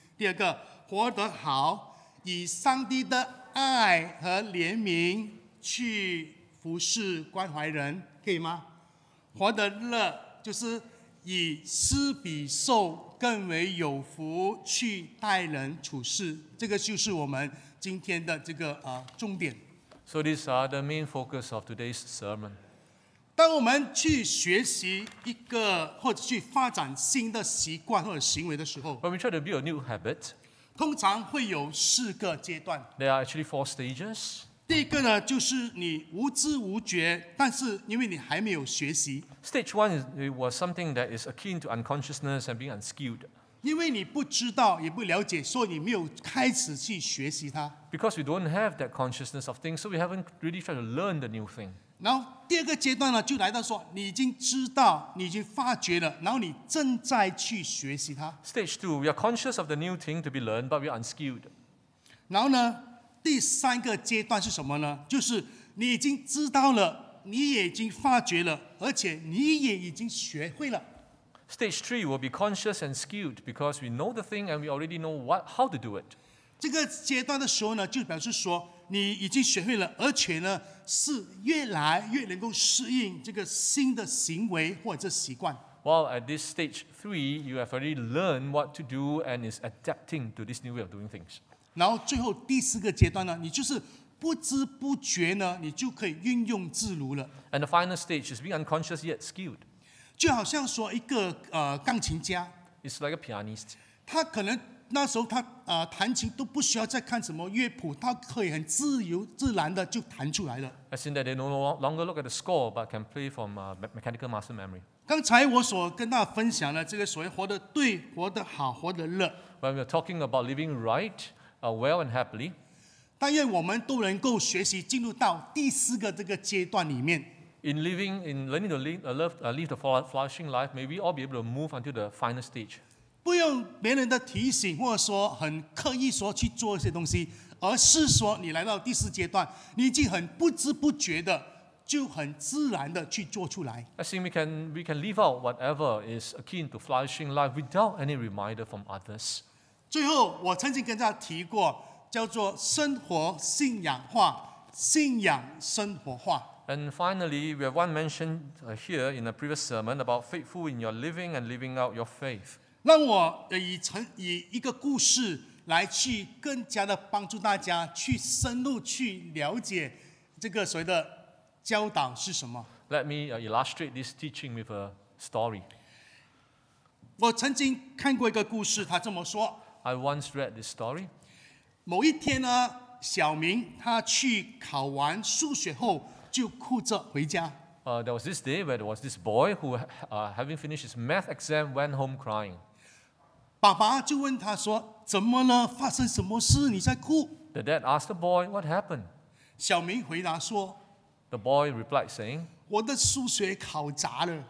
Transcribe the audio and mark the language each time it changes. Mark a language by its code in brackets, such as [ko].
[zh] 第二个，活得好。以上帝的爱和怜悯去服侍关怀人，可以吗？活得乐就是以施比受更为有福去待人处事，这个就是我们今天的这个重点。 [en] So these are the main focus of today's sermon. [zh] 当我们去学习一个或者去发展新的习惯或者行为的时候 [en] ，When we try to build a new habit. [zh] 通常会有四个阶段。 [en] There are actually four stages. [zh] 第一个呢，就是你无知无觉，但是因为你还没有学习。 [en] Stage one is, it was something that is akin to unconsciousness and being unskilled. [zh] 因为你不知道，也不了解，所以你没有开始去学习它。 [en] Because we don't have that consciousness of things, so we haven't really tried to learn the new thing. [zh] 然后第二个阶段呢，就来到说，你已经知道，你已经发觉了，然后你正在去学习它。 [en] Stage two, we are conscious of the new thing to be learned, but we are unskilled. [zh] 然后呢，第三个阶段是什么呢？就是你已经知道了，你也已经发觉了，而且你也已经学会了。 [en] Stage three will be conscious and skilled because we know the thing and we already know what, how to do it. [zh] 这个阶段的时候呢，就表示说你已经学会了，而且呢。是越来越能够适应这个新的行为或者习惯。 [en] Well, at this stage three, you have already learned what to do and is adapting to this new way of doing things. [zh] 然后最后第四个阶段呢，你就是不知不觉呢，你就可以运用自如了。 [en] And the final stage is being unconscious yet skilled. [zh] 就好像说一个钢琴家 [en] ，It's like a pianist. [zh] 他可能。那时候他弹琴都不需要再看什么乐谱，他可以很自由自然的就弹出来了。 [en] As in that they no longer look at the score, but can play from mechanical muscle memory. [zh] 刚才我所跟大家分享的这个所谓活得对、活得好、活得乐。 [en] When we're talking about living right, well and happily. [zh] 但愿我们都能够学习进入到第四个这个阶段里面。 [en] In living, in learning to live the flourishing life, may we all be able to move until the final stage. [zh] 不用别人的提醒，或者说很刻意说去做一些东西，而是说你来到第四阶段，你已经很不知不觉的，就很自然的去做出来。 [en] I think we can leave out whatever is akin to flourishing life without any reminder from others. [zh] 最后，我曾经跟大家提过，叫做生活信仰化，信仰生活化。 [en] And finally, we have one mentioned here in a previous sermon about faithful in your living and living out your faith. [zh] 让我 以一个故事来去更加的帮助大家去深入去了解这个所谓的教导是什么。 [en] Let me illustrate this teaching with a story. [zh] 我曾经看过一个故事，他这么说。 [en] I once read this story. [zh] 某一天呢，小明他去考完数学后就哭着回家。 [en] There was this day where there was this boy who, having finished his math exam, went home crying. [zh] 爸爸就问他说：“怎么了？发生什么事？你在哭？” [en] The dad asked the boy, "What happened?" [zh] 小明回答说 [en] ：“The boy replied, saying, [zh] 我的数学考砸了。